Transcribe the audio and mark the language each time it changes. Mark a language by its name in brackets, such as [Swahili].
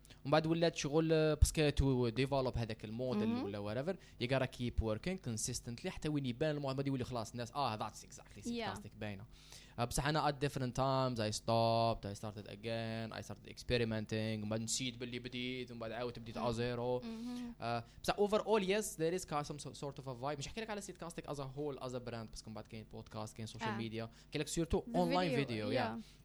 [Arabic] بعد ولات شغل باسكو [English] to develop [Arabic] هذاك الموديل ولا whatever. [English] You gotta keep working consistently [Arabic] حتى وين يبان الموديل بعد يقولي خلاص الناس [English] that's exactly sarcastic [Arabic] باينة. بصح أنا [English] at different times I stopped, I started again, I started experimenting. [Arabic] بعد نسيت باللي بديت وبعد عاودت بديت على zero. بصح [English] overall yes there is some sort of a vibe. [Arabic] مش حكيلك على [English] sarcastic as a whole as a brand [Arabic] بس كم بعد كاين [English] podcast [Arabic] كاين [English] social media. [Arabic] حكيلك سيرتو [English] online video.